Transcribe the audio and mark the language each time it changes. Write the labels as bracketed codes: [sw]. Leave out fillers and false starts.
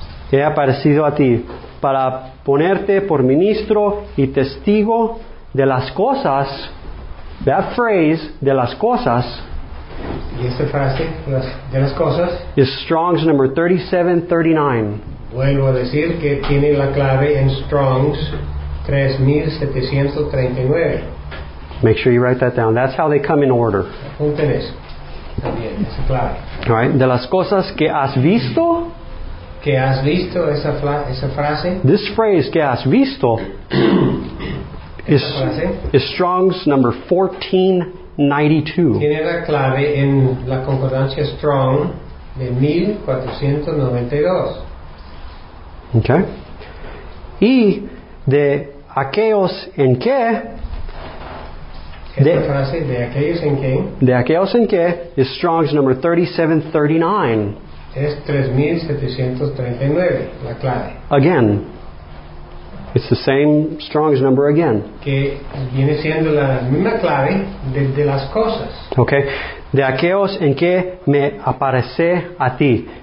[es] He aparecido a ti para ponerte por ministro y testigo de las cosas. [en] That phrase, [es] de las cosas. Y esta frase, de las cosas. [en] Is Strong's number 3739. [es] Vuelvo a decir que tiene la clave en Strong's 3739. [en] Make sure you write that down. That's how they come in order. All [es] right. De las cosas que has visto. Que has visto esa frase. [en] This phrase, [es] que has visto, [en] is Strong's number 1492. [es] Tiene la clave en la concordancia Strong de 1492. Okay. Y de aquellos en que De aquellos en que [en] is Strong's number 3739. [es] Es 3739, la clave. [en] Again. It's the same Strong's number again. [es] Que viene siendo la misma clave de las cosas. [en] Okay. [es] De aquellos en que me aparece a ti.